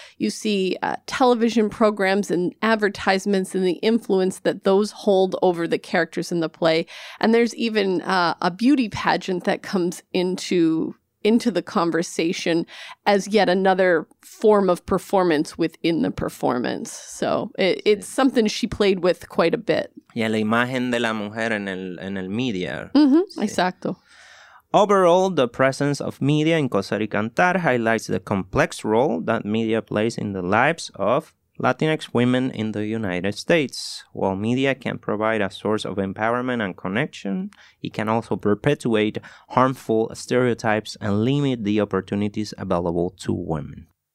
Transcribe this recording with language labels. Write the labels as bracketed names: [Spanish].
[English] You see television programs and advertisements and the influence that those hold over the characters in the play. And there's even a beauty pageant that comes into the conversation as yet another form of performance within the performance. So it's something she played with quite a bit. [Spanish] Y la imagen de la mujer en el media. Mm-hmm. Sí. Exacto. [English] Overall, the presence of media in Coser y Cantar highlights the complex role that media plays in the lives of Latinx women in the United States. While media can provide a source of empowerment and connection, it can also perpetuate harmful stereotypes and limit the opportunities available to women.